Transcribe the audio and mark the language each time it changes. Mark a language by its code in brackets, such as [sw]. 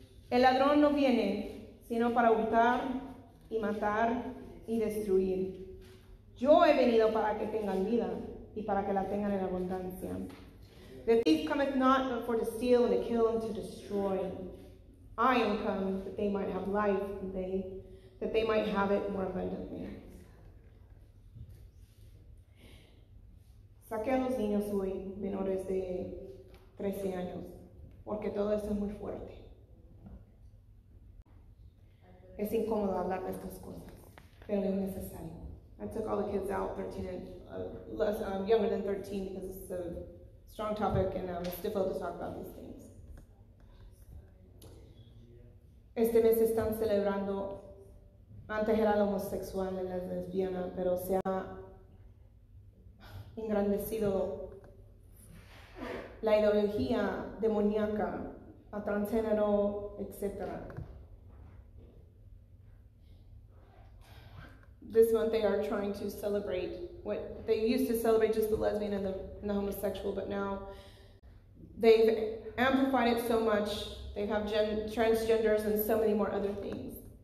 [es] El ladrón no viene sino para hurtar y matar y destruir. Yo he venido para que tengan vida y para que la tengan en abundancia. [en] The thief cometh not but for to steal and to kill and to destroy. I am come that they might have life and that they might have it more abundantly. [es] Saqué a los niños hoy menores de 13 años porque todo esto es muy fuerte. Es incómodo hablar de estas cosas, pero es necesario. [en] I took all the kids out, 13 and younger than 13, because it's a strong topic and it's difficult to talk about these things. [es] Este mes están celebrando, antes era el homosexual y la lesbiana, pero se ha engrandecido la ideología demoníaca, a transgénero, etc. [en] This month they are trying to celebrate what they used to celebrate, just the lesbian and the homosexual, but now they've amplified it so much. They have transgenders and so many more other things.